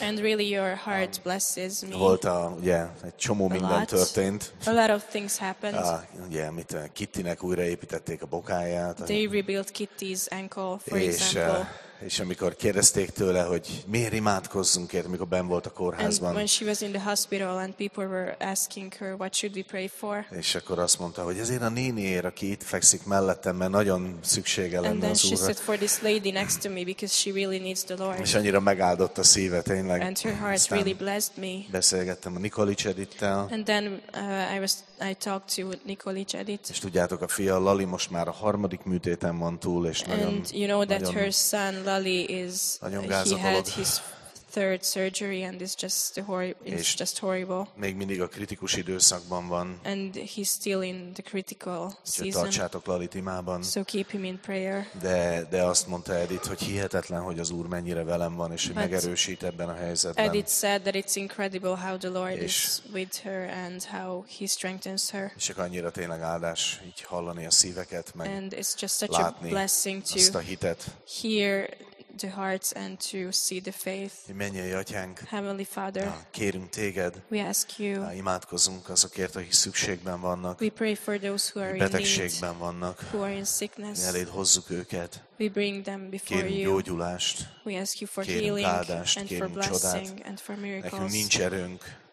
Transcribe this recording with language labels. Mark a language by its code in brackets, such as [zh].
[en] And really your heart blesses me. [hu] Volt egy csomó minden történt. [en] A lot of things happened. [hu] Ugye, mit Kittinek újraépítették a bokáját. [en] They rebuilt Kitty's ankle, for example. [hu] És amikor kérdezték tőle, hogy miért imádkozzunk ért, amikor benn volt a kórházban. [en] When she was in the hospital and people were asking her what should we pray for. [hu] És akkor azt mondta, hogy ezért a néniért, aki itt fekszik mellettem, mert nagyon szüksége lenne az Úrra. [en] And then she said for this lady next to me because she really needs the Lord. [hu] És annyira megáldott a szíve, tényleg. [en] And her heart really blessed me. [hu] Beszélgettem a Nikolics Edittel. [en] And then I talked to Nikolics Edit. [hu] És tudjátok, a fia Lali most már a harmadik műtéten van túl, és nagyon [en] and you know that her son Lali is he had his third surgery and is just horrible. [hu] Még mindig a kritikus időszakban van. [en] And he's still in the critical season. [hu] Tartsátok Lalit imában. [en] So keep him in prayer. [hu] De azt mondta Edith, hogy hihetetlen, hogy az Úr mennyire velem van és hogy megerősít ebben a helyzetben. [en] Edith said that it's incredible how the Lord is with her and how he strengthens her. [hu] És csak annyira tényleg áldás így hallani a szíveket meg. [en] And it's just such a blessing to [hu] azt a hitet. [en] Hear the hearts and to see the faith. [hu] Mennyei Atyánk, [en] Heavenly Father, [hu] kérünk téged, [en] we ask you, [hu] imádkozunk azokért, akik szükségben vannak, [en] we pray for those who are [hu] betegségben [en] in need, [hu] vannak, [en] who are in sickness, [hu] mi eléd hozzuk őket, [en] we bring them before [hu] kérünk [en] you, [hu] gyógyulást, [en] we ask you for [hu] kérünk [en] healing, [hu] áldást, [en] and [hu] kérünk [en] for blessing, [hu] csodát, [en] and for miracles. [hu] Nekünk nincs erőnk,